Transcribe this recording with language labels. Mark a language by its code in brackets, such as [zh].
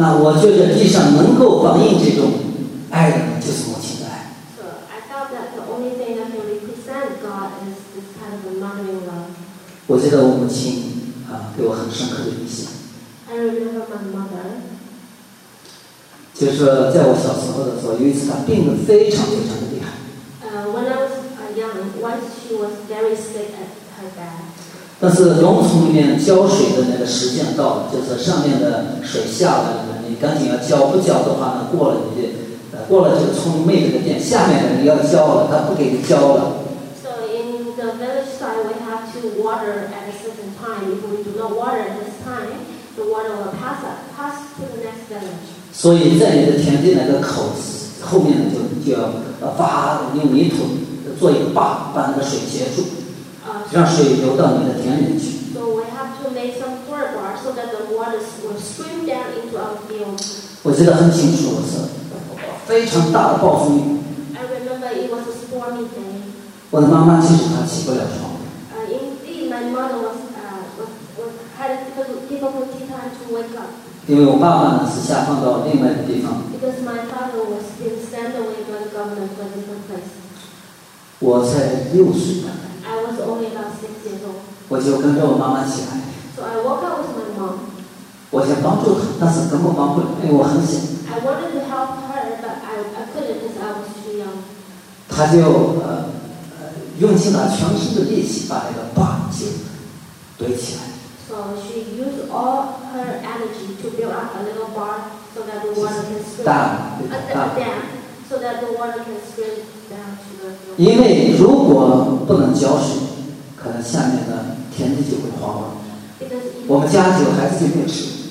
[zh] 那我觉得地上能够反映这种爱的人就是母亲的爱。 [en] So I thought that the only thing that can represent God is this kind of motherly love. [zh] 我记得我母亲啊，给我很深刻的印象。 [en] I remember my mother. [zh] 就是在我小时候的时候，有一次她病得非常非常的厉害。 [en] When I was young, once she was very sick at her bed. [zh] 但是龙从里面浇水的那个时间到了，就是上面的水下来了，你赶紧要浇，不浇的话呢，过了你就过了这个村妹子的店，下面的你要浇了，他不给你浇了。 [en] So in the village side, we have to water at a certain time. If we do not water at this time, the water will pass to the next village. [zh] 所以在你的田地那个口后面就要挖，用泥土做一个坝，把那个水截住。让水流到你的田里去。 [en] So we have to make some forebar so that the water will stream down into our field. [zh] 我记得很清楚，是非常大的暴风雨。 [en] I remember it was a stormy day. [zh] 我的妈妈其实她起不了床。 [en] Indeed, my mother was had a difficulty time to wake up. [zh] 因为我爸爸呢是下放到另外的地方。 [en] Because my father was being sent away by the government to a different place. [zh] 我才六岁吧。 [en] I was only about 6 years old. I just woke up with my mom. [zh] 我想帮助她，但是根本帮不了，因为我很小。 [en] I wanted to help her, but I couldn't because I was too young. [zh] 她就用尽了全身的力气把那个坝就堆起来。 [en] So she used all her energy to build up a little bar so that the water can stream. [zh] 大，大。 [en] So that the water can stream down to the [zh] 因为如果不能浇水，可能下面的田地就会荒了。我们家里有孩子就没有吃。